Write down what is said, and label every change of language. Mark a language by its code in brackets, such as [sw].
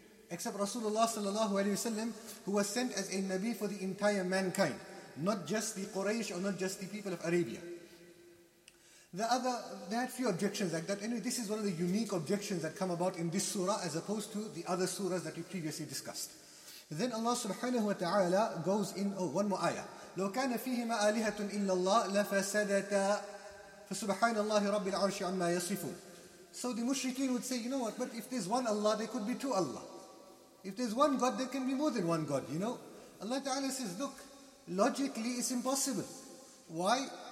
[en] Except Rasulullah Sallallahu Alaihi Wasallam, who was sent as a Nabi for the entire mankind. Not just the Quraysh or not just the people of Arabia. They had few objections like that. Anyway, this is one of the unique objections that come about in this surah as opposed to the other surahs that we previously discussed. Then Allah Subhanahu Wa Ta'ala goes in, one more ayah. [ar] لو كان فيهما آلهة إلا الله لفسدتا فسبحان الله رب العرش عما يصفون. [en] So the mushrikeen would say, you know what, but if there's one Allah, there could be two Allah. If there's one God, there can be more than one God, you know. Allah Ta'ala says, look, logically it's impossible. Why?